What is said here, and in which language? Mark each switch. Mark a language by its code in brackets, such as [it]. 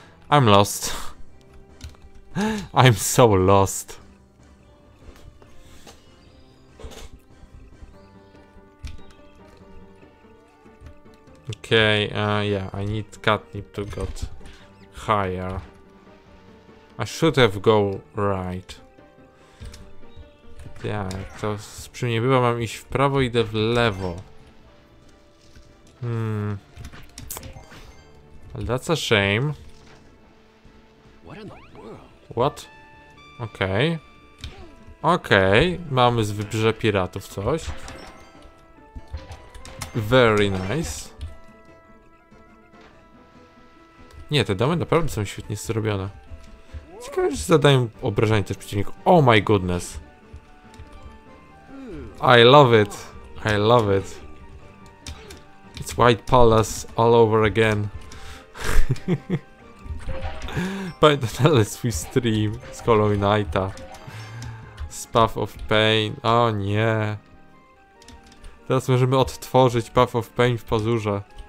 [en] I'm lost. I'm so lost. Okay, yeah, I need catnip to get higher. I should have go right. [pl] Yeah, to przy mnie bywa, mam iść w prawo, idę w lewo. [en] Well, that's a shame. What in the world? What? Okay. [pl] Okay, mamy z wybrzeża piratów coś. [en] Very nice. [pl] Nie, te domy naprawdę są świetnie zrobione. Ciekawe, że zadają obrażenie też przeciwników. [en] Oh my goodness. I love it. I love it. It's White Palace all over again. [pl] Pamiętam na swój stream z Hollow Knighta. Z Path of Pain. O nie. Teraz możemy odtworzyć Path of Pain w pazurze.